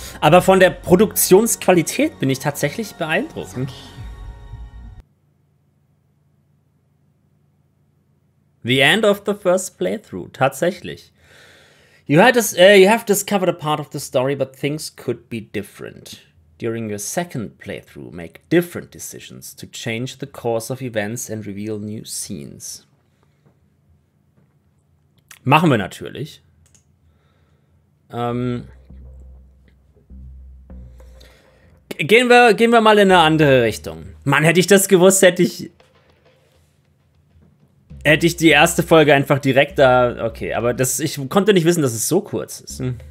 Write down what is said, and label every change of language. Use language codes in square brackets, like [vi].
[de] Aber von der Produktionsqualität bin ich tatsächlich beeindruckt. [en] It's okay. The end of the first playthrough. [de] Tatsächlich. [en] You have discovered a part of the story, but things could be different. During your second playthrough, make different decisions to change the course of events and reveal new scenes. [de] Machen wir natürlich. Gehen wir mal in eine andere Richtung. Mann, hätte ich das gewusst, hätte ich die erste Folge einfach direkt da... Okay, aber das, ich konnte nicht wissen, dass es so kurz ist.